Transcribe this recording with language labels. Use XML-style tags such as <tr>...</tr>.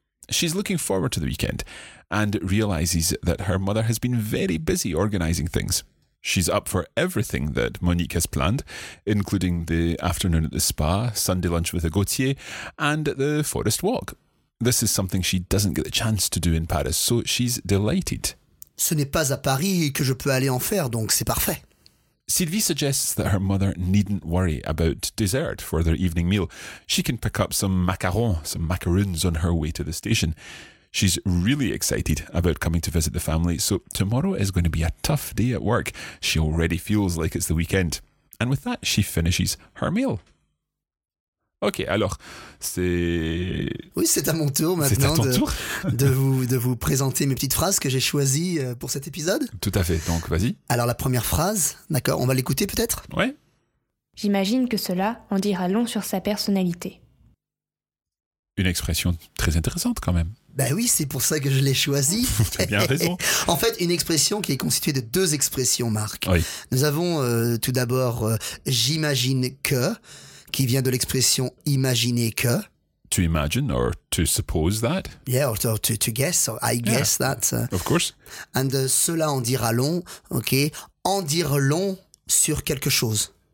<en>She's looking forward to the weekend and realises that her mother has been very busy organising things. She's up for everything that Monique has planned, including the afternoon at the spa, Sunday lunch with a Gautier, and the forest walk. This is something she doesn't get the chance to do in Paris, so she's delighted.</en> <fr>Ce n'est pas à Paris que je peux aller en faire, donc c'est parfait.</fr> <en>Sylvie suggests that her mother needn't worry about dessert for their evening meal. She can pick up some macaroons on her way to the station. She's really excited about coming to visit the family, so tomorrow is going to be a tough day at work. She already feels like it's the weekend. And with that, she finishes her meal.</en> <fr>Ok, alors, c'est... Oui, c'est à mon tour maintenant de vous présenter mes petites phrases que j'ai choisies pour cet épisode. Tout à fait, donc vas-y. Alors la première phrase, d'accord, on va l'écouter peut-être ? Ouais. J'imagine que cela en dira long sur sa personnalité. Une expression très intéressante quand même. Ben oui, c'est pour ça que je l'ai choisi. T'as bien raison. En fait, une expression qui est constituée de deux expressions, Marc. Oui. Nous avons tout d'abord « j'imagine que », qui vient de l'expression « imaginer que ».</fr> <en>To imagine or to suppose that. Yeah, or to guess, or I guess yeah, that. Of course.</en> <fr>And cela en dira long, ok. En dire long sur quelque chose.</fr>